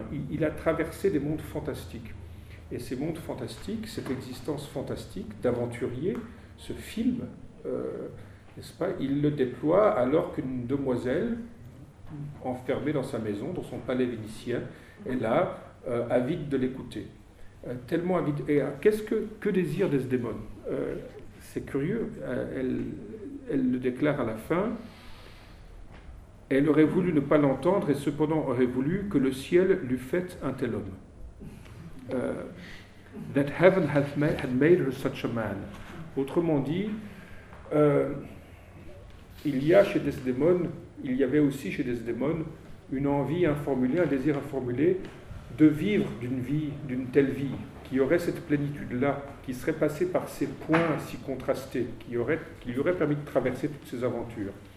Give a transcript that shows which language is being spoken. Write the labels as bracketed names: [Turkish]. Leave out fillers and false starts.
[French] Il a traversé des mondes fantastiques. Et ces mondes fantastiques, cette existence fantastique d'aventurier, ce film, n'est-ce pas, il le déploie alors qu'une demoiselle, enfermée dans sa maison, dans son palais vénitien, est là, avide de l'écouter. Tellement avide. Et que désire Desdémone ? C'est curieux, elle le déclare à la fin. Elle aurait voulu ne pas l'entendre et cependant aurait voulu que le ciel l'eût fait un tel homme. [English] That heaven had made her such a man. [French] Autrement dit, il y avait aussi chez Desdémone une envie informulée, un désir informulé de vivre d'une telle vie, qui aurait cette plénitude-là, qui serait passée par ces points si contrastés, qui lui aurait permis de traverser toutes ces aventures.